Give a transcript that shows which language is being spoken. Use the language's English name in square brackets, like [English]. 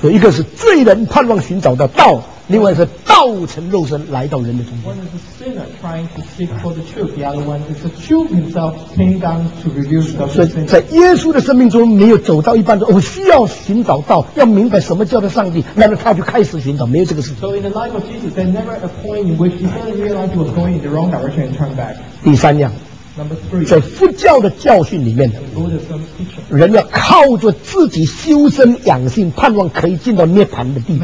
[Chinese] 所以一个是罪人盼望寻找到道。另外是道成肉身来到人的中间。 [English] One is a sinner trying to seek for the truth. The other one is the truth himself came down to reveal the truth. [Chinese] 所以在耶稣的生命中，没有走到一半的，我需要寻找道，要明白什么叫做上帝，那么他就开始寻找，没有这个事情。 [English] So in the life of Jesus, there never a point in which he suddenly realized he was going in the wrong direction and turned back. [Chinese] 第三样。 [English] Number three, [Chinese] 在佛教的教训里面，人要靠着自己修身养性，盼望可以进到涅槃的地步。